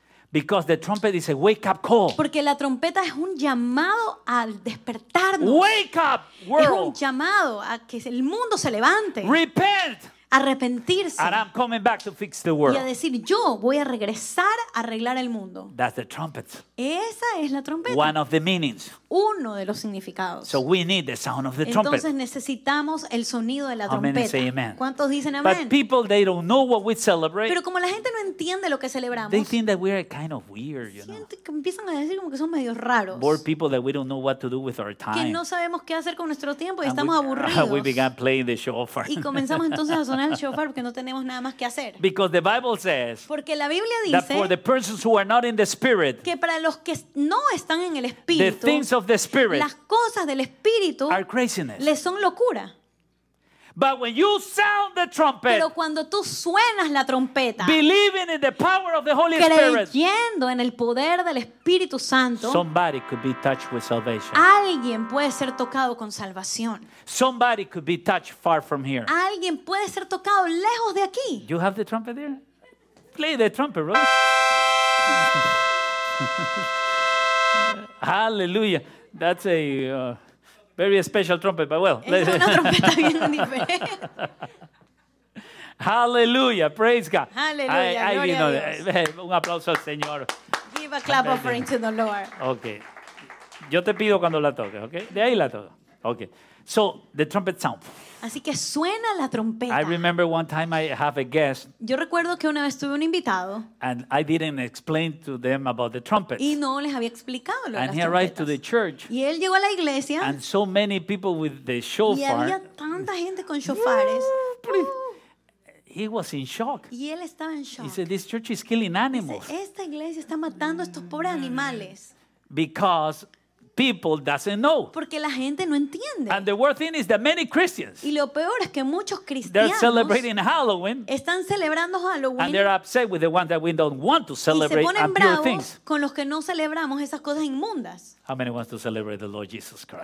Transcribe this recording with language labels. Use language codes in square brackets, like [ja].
[en] Because the trumpet is a wake-up call. [es] Porque la trompeta es un llamado al despertarnos. [en] Wake up, world. [es] Es un llamado a que el mundo se levante. [en] Repent. [es] arrepentirse. [en] And I'm coming back to fix the world. [es] Y a decir, yo voy a regresar a arreglar el mundo. [en] That's the trumpet. [es] Esa es la trompeta. [en] One of the meanings. [es] Uno de los significados. [en] So we need the sound of the [es] Entonces [en] trumpet. [es] Necesitamos el sonido de la [en] How [es] trompeta. [en] Many say amen? [es] ¿Cuántos dicen amén? [en] But people, they don't know what we celebrate. [es] Pero como la gente no entiende lo que celebramos. [en] They think that we're kind of weird, you know. [es] Que empiezan a decir como que son medio raros. [en] Bored people that we don't know what to do with our time. [es] Que no sabemos qué hacer con nuestro tiempo y And estamos [en] we, [es] aburridos. [en] We began playing the shofar. [es] Y comenzamos entonces a sonar el shofar porque no tenemos nada más que hacer. [en] Because the Bible says. [es] Porque la Biblia dice. [en] That for the persons who are not in the spirit. [es] Que para los que no están en el espíritu. [en] The things of the spirit. [es] Las cosas del espíritu. [en] Are craziness. [es] Les son locura. [en] But when you sound the trumpet, [es] pero cuando tú suenas la trompeta, [en] believing in the power of the Holy [es] creyendo [en] Spirit, [es] creyendo en el poder del Espíritu Santo, [en] somebody could be touched with salvation. [es] Alguien puede ser tocado con salvación. [en] Somebody could be touched far from here. [es] Alguien puede ser tocado lejos de aquí. [en] You have the trumpet there? Play the trumpet, bro. Hallelujah. That's a very special trumpet, but well. [es] Es una trompeta bien diferente. [en] Hallelujah, praise God. [es] Hallelujah, gloria a Dios. Un aplauso al Señor. [en] Give a clap offering to the Lord. [es] Okay. Yo te pido cuando la toques, okay? De ahí la toco. Okay. [en] So, the trumpet sound. [es] Así que suena la trompeta. [en] I remember one time I have a guest. [es] Yo recuerdo que una vez tuve un invitado. [en] And I didn't explain to them about the trumpets. [es] Y no les había explicado lo de las [en] trompetas. And he arrived to the church. [es] Y él llegó a la iglesia. [en] And so many people with the shofar. [es] Y había tanta gente con shofares. [en] He was in shock. [es] Y él estaba en shock. [en] He said, "This church is killing animals." [es] Dice, esta iglesia está matando a estos pobres animales. [en] Because people doesn't know. [es] Porque la gente no entiende. [en] And the worst thing is that many Christians. [es] Y lo peor es que muchos cristianos. [en] They're celebrating Halloween. [es] Están celebrando Halloween. [en] And they're upset with the ones that we don't want to celebrate impure things. [es] Y se ponen bravos con los que no celebramos esas cosas inmundas. [en] How many wants to celebrate the Lord Jesus Christ?